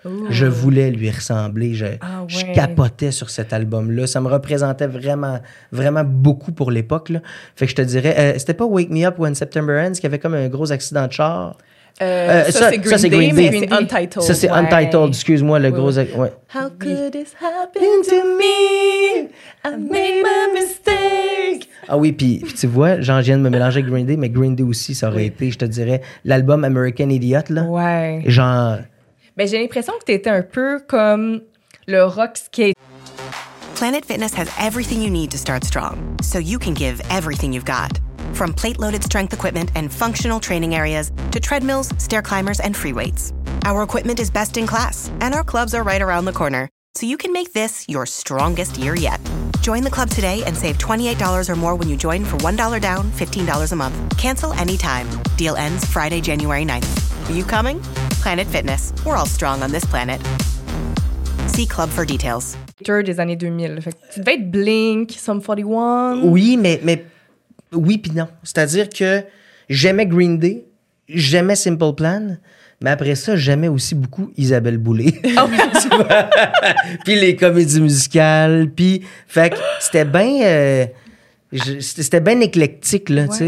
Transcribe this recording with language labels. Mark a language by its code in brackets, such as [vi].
[fr] Je voulais lui ressembler. Je capotais sur cet album-là. Ça me représentait vraiment, vraiment beaucoup pour l'époque. Là. Fait que je te dirais, c'était pas Wake Me Up When September Ends qui avait comme un gros accident de char? Ça, c'est Green Day. Ça, c'est Untitled, excuse-moi, le gros... Ouais. [en] How could this happen to me? I made my mistake. [fr] Ah oui, puis tu vois, genre, je viens de me mélanger avec Green Day, mais Green Day aussi, ça aurait été, je te dirais, l'album American Idiot, là. Ouais. Genre... Mais j'ai l'impression que t'étais un peu comme le rock skate. [en] Planet Fitness has everything you need to start strong, so you can give everything you've got. From plate-loaded strength equipment and functional training areas to treadmills, stair climbers, and free weights. Our equipment is best in class, and our clubs are right around the corner, so you can make this your strongest year yet. Join the club today and save $28 or more when you join for $1 down, $15 a month. Cancel anytime. Deal ends Friday, January 9th. Are you coming? Planet Fitness. We're all strong on this planet. See club for details. [fr] Tour des années 2000. Fait que tu devais être Blink, Sum 41. Oui, mais oui puis non. C'est-à-dire que j'aimais Green Day, j'aimais Simple Plan, mais après ça, j'aimais aussi beaucoup Isabelle Boulay. Oh, <tu vois? rire> puis les comédies musicales, puis fait que c'était bien c'était bien éclectique, là, ouais.